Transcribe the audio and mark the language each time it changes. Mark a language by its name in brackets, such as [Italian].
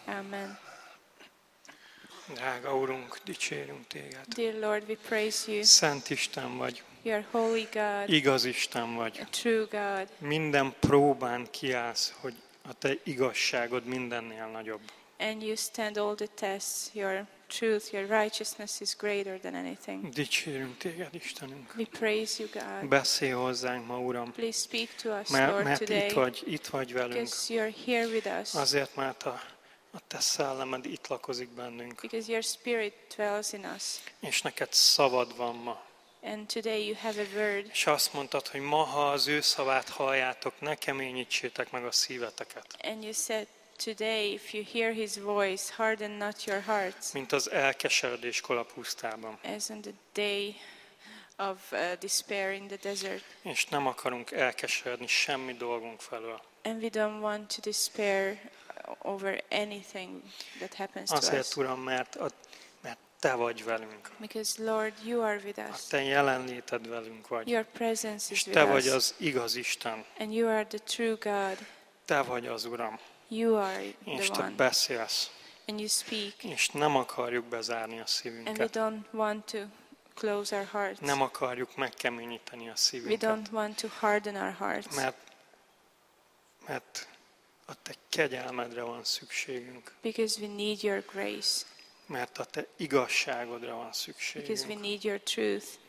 [Hungarian] Amen. Drága Urunk, dicsérünk téged. [English] Dear Lord, we praise you. [Hungarian] Szent Isten vagy. [English] You are holy God. [Hungarian] Igaz Isten vagy. [English] A true God. [Hungarian] Minden próbán kiállsz, hogy a te igazságod mindennél nagyobb. [English] And you stand all the tests, your truth, your righteousness is greater than anything. [Hungarian] Dicsérünk téged, Istenünk. [English] We praise you, God. [Hungarian] Beszélj hozzánk ma, Uram. [English] Please speak to us, [Hungarian] mert [English] Lord, today. [Hungarian] Itt vagy velünk. [English] Because you're here with us. [Hungarian] Azért, mert a te szellemed itt lakozik bennünk. [English] Because your spirit dwells in us. [Hungarian] És neked szavad van ma. [English] And today you have a word. [Hungarian] És azt mondtad, hogy ma, ha az ő szavát halljátok, ne keményítsétek meg a szíveteket. [English] And you said, today, if you hear his voice, harden not your hearts. [Hungarian] Mint az elkeseredés kolapusztában. [English] As in the day of despair in the desert. [Hungarian] És nem akarunk elkeseredni semmi dolgunk felől. [English] And we don't want to despair over anything that happens to us. [Hungarian] Azért, Uram, mert te vagy velünk. [English] Because Lord, you are with us. [Hungarian] A te jelenléted velünk vagy. [English] Your presence is [Hungarian] és [English] with us. [Hungarian] Te vagy az igaz Isten. [English] And you are the true God. [Hungarian] Te vagy az, Uram. [English] You are the [Hungarian] és te [English] one. [Hungarian] Beszélsz. [English] And you speak. [Hungarian] És nem akarjuk bezárni a szívünket. [English] And we don't want to close our hearts. [Hungarian] Nem akarjuk megkeményíteni a szívünket. [English] We don't want to harden our hearts. [Hungarian] Mert a te kegyelmedre van szükségünk. [English] Because we need your grace. [Hungarian] Mert a te igazságodra van szükségünk. [English] Because we need your truth.